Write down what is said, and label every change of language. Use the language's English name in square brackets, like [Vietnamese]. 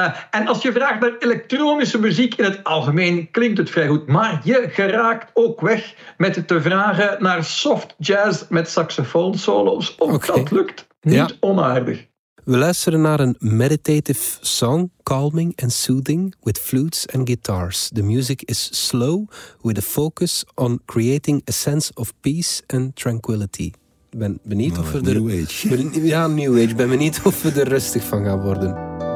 [Dutch] En als je vraagt naar elektronische muziek in het algemeen, klinkt het vrij goed. Maar je geraakt ook weg met te vragen naar soft jazz met saxofoon-solo's, of dat lukt. Niet onaardig. We luisteren naar een [English] meditative song, calming and soothing, with flutes and guitars. The music is slow, with a focus on creating a sense of peace and tranquility. [Dutch] Ben benieuwd of we [English] new age. New age. [Dutch] Ben benieuwd of we er rustig van gaan worden.